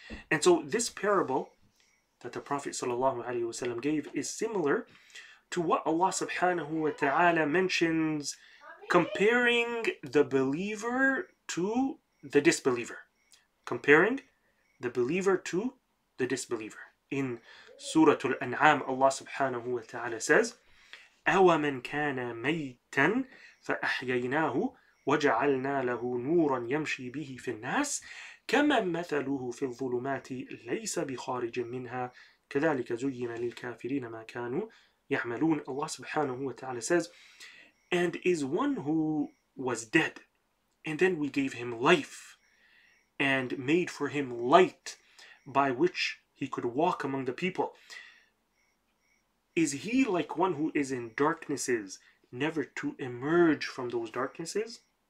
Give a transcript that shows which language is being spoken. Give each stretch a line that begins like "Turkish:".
English: And so this parable that the Prophet sallallahu alaihi wasallam gave is similar to what Allah subhanahu wa ta'ala mentions comparing the believer to the disbeliever. Comparing the believer to the disbeliever. In Surah Al-An'am, Allah subhanahu wa ta'ala says,
Arabic: أَوَمَنْ كَانَ مَيْتًا فَأَحْيَيْنَاهُ وَجَعَلْنَا لَهُ نُورًا يَمْشِي بِهِ فِي النَّاسِ كَمَنْ مَثَلُهُ فِي الظُّلُمَاتِ لَيْسَ بِخَارِجٍ مِّنْهَا كَذَلِكَ زُيِّنَ لِلْكَافِرِينَ مَا كَانُوا يَعْمَلُونَ.
English: Allah subhanahu wa ta'ala says, and is one who was dead, and then we gave him life and made for him light by which he could walk among the people. Is he like one who is in darknesses, never to emerge from those darknesses?